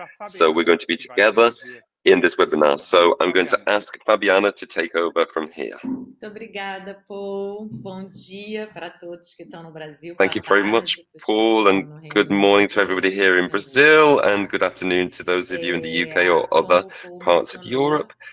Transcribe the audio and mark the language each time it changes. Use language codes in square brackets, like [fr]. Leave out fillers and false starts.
[en] So we're going to be together in this webinar. So I'm going to ask Fabiana to take over from here. [pt] Obrigada, Paul. Bom dia para todos que estão no Brasil. [en] Thank you very much, Paul, and good morning to everybody here in Brazil, and good afternoon to those of you in the UK or other parts of Europe.